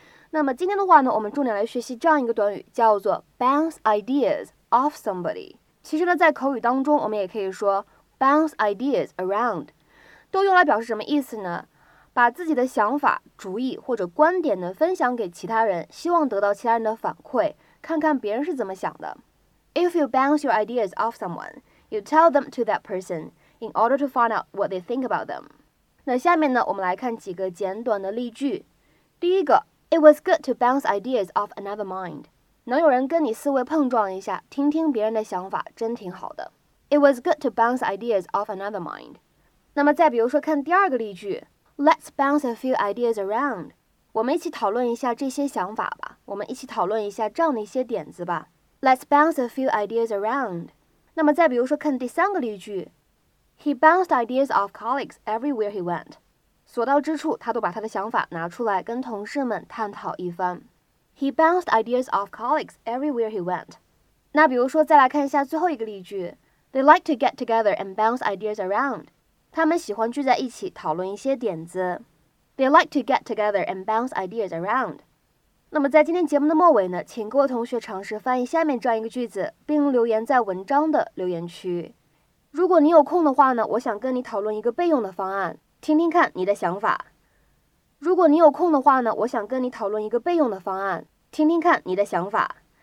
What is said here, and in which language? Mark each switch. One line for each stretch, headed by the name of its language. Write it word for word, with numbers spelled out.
Chinese: 那么今天的话呢，我们重点来学习这样一个短语，叫做
English: bounce ideas off somebody。
Chinese: 其实呢，在口语当中，我们也可以说
English: bounce ideas around，
Chinese: 都用来表示什么意思呢？把自己的想法、主意或者观点呢分享给其他人，希望得到其他人的反馈，看看别人是怎么想的。
English: If you bounce your ideas off someone, you tell them to that person in order to find out what they think about them.
Chinese: 那下面呢，我们来看几个简短的例句。第一个
English: ，It was good to bounce ideas off another mind。
Chinese: 能有人跟你思维碰撞一下，听听别人的想法，真挺好的。
English: It was good to bounce ideas off another mind。
Chinese: 那么再比如说，看第二个例句
English: ，Let's bounce a few ideas around。
Chinese: 我们一起讨论一下这些想法吧，我们一起讨论一下这样的一些点子吧。
English: Let's bounce a few ideas around。
Chinese: 那么再比如说，看第三个例句。
English: He bounced ideas off colleagues everywhere he went.
Chinese: 所到之处，他都把他的想法拿出来跟同事们探讨一番。
English: He bounced ideas off colleagues everywhere he went.
Chinese: 那比如说，再来看一下最后一个例句
English: ，They like to get together and bounce ideas around.
Chinese: 他们喜欢聚在一起讨论一些点子。
English: They like to get together and bounce ideas around.
Chinese: 那么在今天节目的末尾呢，请各位同学尝试翻译下面这样一个句子，并留言在文章的留言区。如果你有空的话呢，我想跟你讨论一个备用的方案，听听看你的想法。如果你有空的话呢，我想跟你讨论一个备用的方案，听听看你的想法。